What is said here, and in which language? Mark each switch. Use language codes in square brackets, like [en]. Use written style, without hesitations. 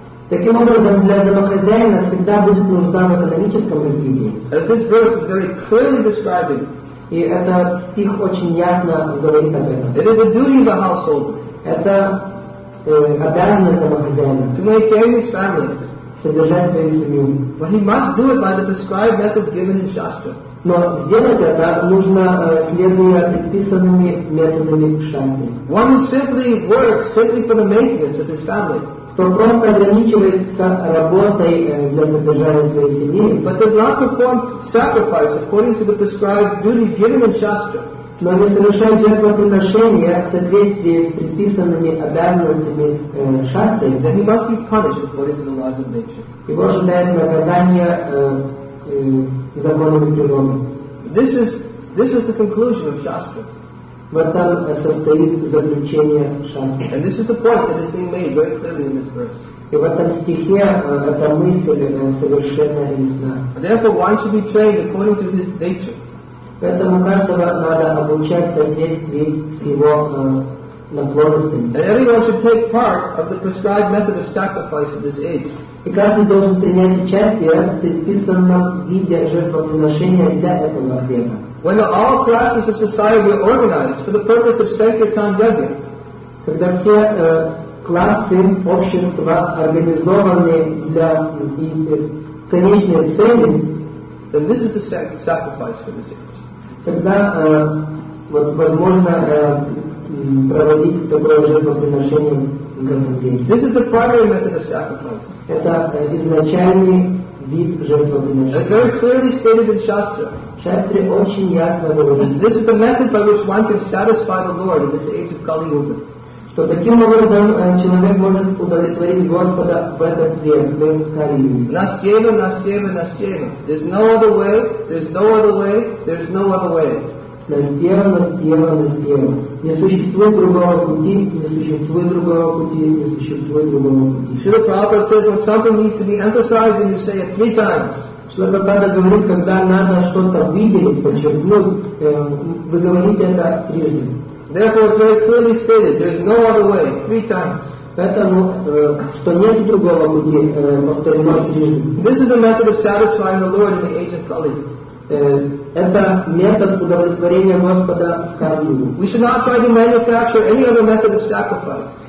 [ru] Таким образом, для домохозяина всегда будет нужда в экономическом развитии. [en] As this verse is very clearly describing. [ru] И этот стих очень ясно говорит об этом. [en] It is a duty of the household. [ru] Это обязанность домохозяина. [en] To maintain his family. [ru] Содержать свою семью. [en] But he must do it by the prescribed methods given in Shastra. [ru] Но сделать это нужно следуя предписанными методами кшатри. [en] One who simply works simply for the maintenance of his family. [ru] Кто просто ограничивается работой для содержания своей семьи. [en] But does not perform sacrifice according to the prescribed duties given in Shastra. [ru] Но не совершает жертвоприношения в соответствии с предписанными обязанностями кшатри. [en] Then he must be punished according to the laws of nature. [ru] Его ожидает наказание законами природы. [en] This is the conclusion of Shastra. [ru] В этом состоит заключение Шастры. [en] And this is the point that is being made very clearly in this verse. [ru] И в этом стихе эта мысль совершенно ясна. [en] Therefore, one should be trained according to his nature. [ru] Поэтому каждого надо обучать в соответствии с его наклонностями. [en] And everyone should take part of the prescribed method of sacrifice of this age. [ru] И каждый должен принять участие в предписанном виде жертвоприношения для этого века. [en] When all classes of society are organized for the purpose of sankirtan yajna, [ru] когда все классы общества организованы для конечной цели, [en] then this is the sacrifice for this age. [ru] Тогда возможно проводить такое жертвоприношение. [en] This is the primary method of sacrifice. [ru] Это изначальный вид жертвоприношения. [en] It's very clearly stated in Shastra. [ru] Шастре очень ясно говорится. [en] This is the method by which one can satisfy the Lord in this age of Kali Yuga. [ru] Что таким образом человек может удовлетворить Господа в этот век, в век Кали Юги. [sa] Настьева, настьева, настьева. [en] There's no other way, there's no other way, there's no other way. [sa] Настьева, настьева, настьева. [ru] Не существует другого пути, не существует другого пути, не существует другого пути. [en] Шрила Прабхупада says when something needs to be emphasized and you say it three times. [ru] Шрила Прабхупада говорит, когда надо что-то выделить, подчеркнуть, вы говорите это трижды. [en] Therefore, it's very clearly stated, there is no other way, three times. [ru] Поэтому, что нет другого пути, повторено трижды. [en] This is the method of satisfying the Lord in the age of Kali. [ru] Это метод удовлетворения Господа в Кали-Югу. [en] We should not try to manufacture any other method of sacrifice.